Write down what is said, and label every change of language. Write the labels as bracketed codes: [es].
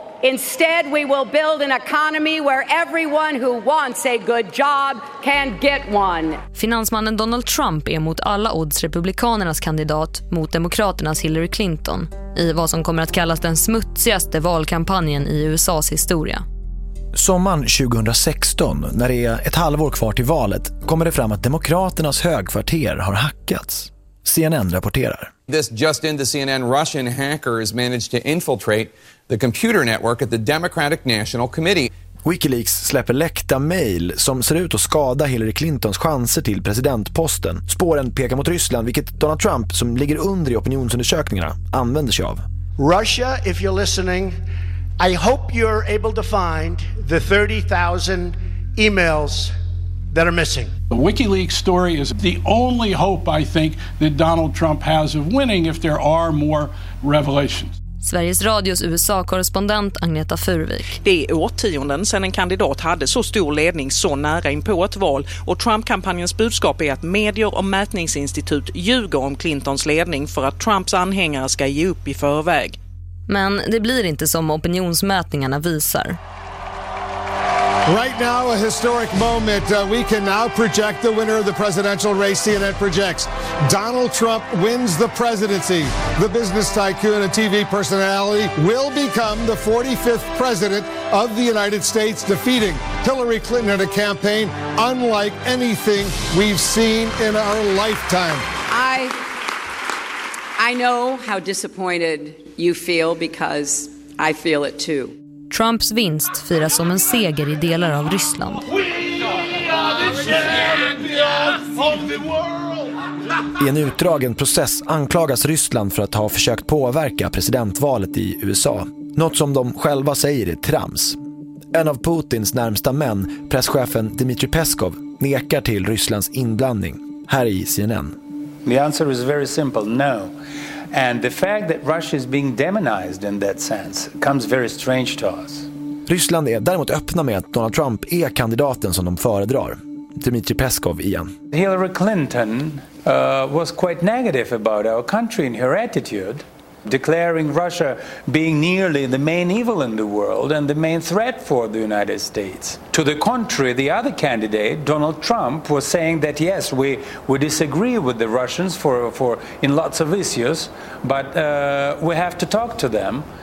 [en] Instead, we will build an economy where everyone who wants a good job can get one. [sv] Finansmannen Donald Trump är mot alla odds republikanernas kandidat mot demokraternas Hillary Clinton i vad som kommer att kallas den smutsigaste valkampanjen i USA:s historia. Sommaren 2016, när det är ett halvår kvar till valet, kommer det fram att demokraternas högkvarter har hackats. CNN rapporterar. [en] This just into CNN, Russian hackers managed to infiltrate the computer network at the Democratic National Committee. [sv] WikiLeaks släpper läckta mejl som ser ut att skada Hillary Clintons chanser till presidentposten. Spåren pekar mot Ryssland, vilket Donald Trump, som ligger under i opinionsundersökningarna, använder sig av. [en] Russia, if you're listening, I hope you're able to find the 30,000 emails that are missing. The WikiLeaks story is the only hope I think that Donald Trump has of winning if there are more revelations. [sv] Sveriges Radios USA-korrespondent Agneta Furvik. Det är årtionden sedan en kandidat hade så stor ledning så nära in på ett val. Och Trump-kampanjens budskap är att medier och mätningsinstitut ljuger om Clintons ledning för att Trumps anhängare ska ge upp i förväg. Men det blir inte som opinionsmätningarna visar. [en] Right now, a historic moment. We can now project the winner of the presidential race. CNN projects Donald Trump wins the presidency. The business tycoon and TV personality will become the 45th president of the United States, defeating Hillary Clinton in a campaign unlike anything we've seen in our lifetime. I know how disappointed you feel because I feel it too. [sv] Trumps vinst firas som en seger i delar av Ryssland. I en utdragen process anklagas Ryssland för att ha försökt påverka presidentvalet i USA. Något som de själva säger är trams. En av Putins närmsta män, presschefen Dmitry Peskov, nekar till Rysslands inblandning. Här i CNN. [en] The answer is very simple, no. And the fact that Russia is being demonized in that sense comes very strange to us. [sv] Ryssland är däremot öppna med att Donald Trump är kandidaten som de föredrar. Dmitry Peskov igen. [en] Hillary Clinton was quite negative about our country in her attitude, declaring Russia being nearly the main evil in the world and the main threat for the United States. To the contrary, the other candidate, Donald Trump, was saying that yes, we disagree with the Russians for in lots of issues, but we have to talk to them.